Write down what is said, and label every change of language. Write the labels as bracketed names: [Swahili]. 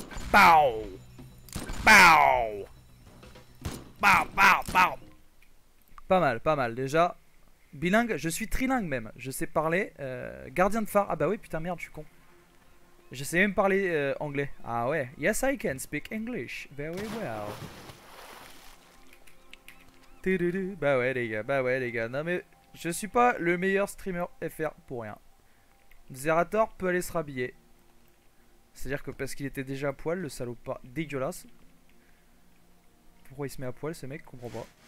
[French] Pow! Pow! Pow, pow, pow! Pas mal, pas mal. Déjà. Bilingue, je suis trilingue même. Je sais parler gardien de phare. Ah bah oui, putain, merde, je suis con. Je sais même parler anglais. Ah ouais. [English] Yes, I can speak English very well. [French] Tududu. Bah ouais, les gars. Bah ouais, les gars. Non, mais je suis pas le meilleur streamer FR pour rien. Zerator peut aller se rhabiller. C'est-à-dire que parce qu'il était déjà à poil, le salaud pas dégueulasse. Pourquoi il se met à poil, ce mec? Je comprends pas.